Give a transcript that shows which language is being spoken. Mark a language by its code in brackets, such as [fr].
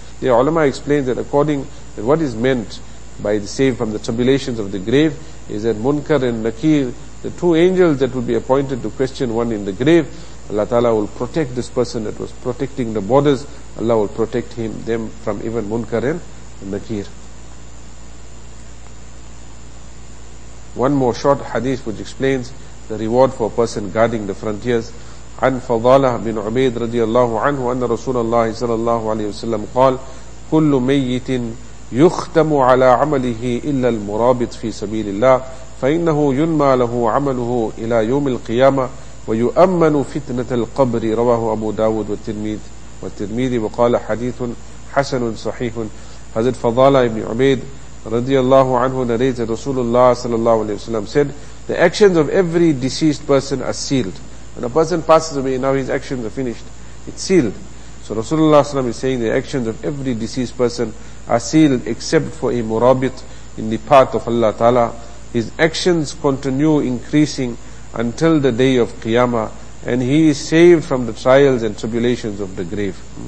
[en] The ulama explains that according to what is meant by the save from the tribulations of the grave is that Munkar and Nakir, the two angels that will be appointed to question one in the grave, Allah Ta'ala will protect this person that was protecting the borders. Allah will protect him, them from even Munkar and Nakir. One more short hadith which explains the reward for a person guarding the frontiers. [ar] An Fadalah bin Ubaid radiallahu anhu anna Rasulullah sallallahu alayhi wa sallam qal, kullu mayyitin يختم على عمله إلا المرابط في سبيل الله فإنه ينمى له عمله إلى يوم القيامة ويؤمن فتنة القبر رواه أبو داود والترمذي وقال حديث حسن صحيح. [en] حضرت فضالة بن عبيد رضي الله عنه narrated رسول الله صلى الله عليه وسلم said, the actions of every deceased person are sealed. When a person passes away, now his actions are finished. It's sealed. So Rasulullah ﷺ is saying the actions of every deceased person are sealed except for a murabit in the path of Allah Ta'ala. His actions continue increasing until the day of Qiyamah, and he is saved from the trials and tribulations of the grave.